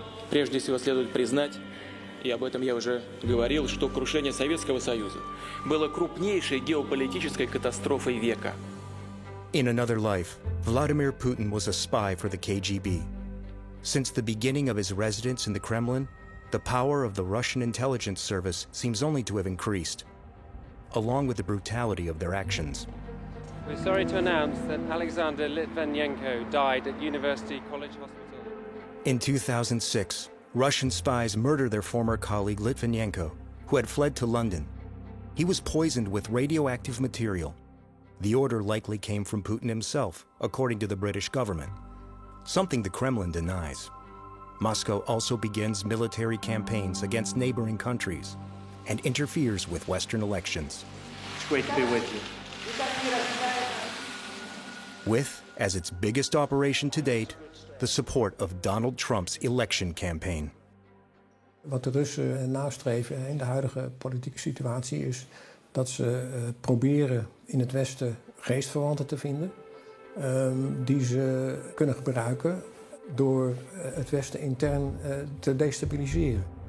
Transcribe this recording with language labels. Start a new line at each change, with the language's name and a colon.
Russian: Прежде всего следует признать, и об этом я уже говорил, что крушение Советского Союза было крупнейшей геополитической катастрофой века.
English: In another life, Vladimir Putin was a spy for the KGB. Since the beginning of his residence in the Kremlin, the power of the Russian intelligence service seems only to have increased, along with the brutality of their actions. We're sorry to announce that Alexander Litvinenko died at University College Hospital. In 2006, Russian spies murder their former colleague Litvinenko, who had fled to London. He was poisoned with radioactive material. The order likely came from Putin himself, according to the British government, something the Kremlin denies. Moscow also begins military campaigns against neighboring countries and interferes with Western elections. It's great to be with you. With, as its biggest operation to date, the support of Donald Trump's election campaign.
Dutch: Wat de Russen nastreven in de huidige politieke situatie is dat ze proberen in het Westen geestverwanten te vinden die ze kunnen gebruiken door het Westen intern te destabiliseren.